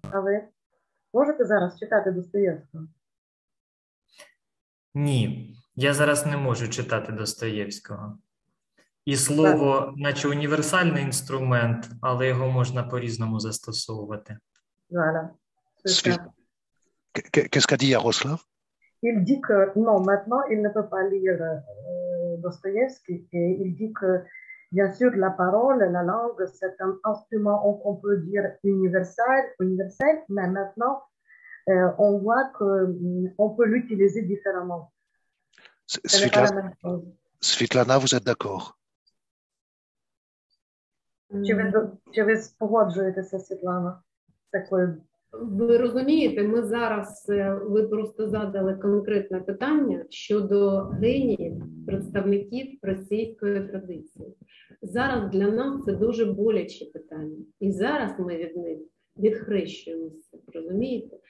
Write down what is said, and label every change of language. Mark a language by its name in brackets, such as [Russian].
[Ukrainian] А ви можете зараз читати Достоєвського? Ні, я зараз не можу читати Достоєвського. І слово, так, наче універсальний інструмент, але його можна по-різному застосовувати. [French] Qu'est-ce qu'a dit Ярослав? Il dit que non, maintenant il ne peut pas lire Dostoïevski et il dit que bien sûr la parole, la langue, c'est un instrument qu'on peut dire universel, mais maintenant on voit que on peut l'utiliser différemment. Svetlana, vous êtes d'accord? [Ukrainian] Чи ви погоджуєтеся, Світлана? Ви розумієте, ми зараз, ви просто задали конкретне питання щодо генії представників російської традиції. Зараз для нас це дуже боляче питання. І зараз ми від них відхрещуємося, розумієте?